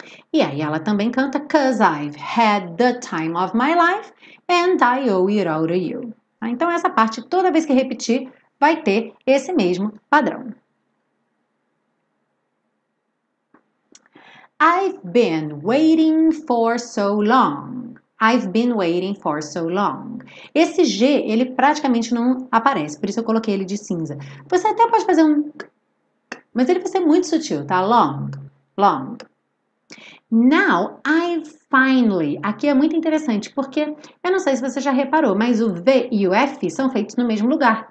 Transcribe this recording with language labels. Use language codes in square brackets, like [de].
[pt] E aí ela também canta, [en] 'cause I've had the time of my life, and I owe it all to you. [pt] Tá? Então, essa parte, toda vez que repetir, vai ter esse mesmo padrão. [en] I've been waiting for so long. I've been waiting for so long. [pt] Esse G, ele praticamente não aparece, por isso eu coloquei ele de cinza. Você até pode fazer um, mas ele vai ser muito sutil, tá? [en] Long, long. Now, I finally. [pt] Aqui é muito interessante, porque eu não sei se você já reparou, mas o V e o F são feitos no mesmo lugar.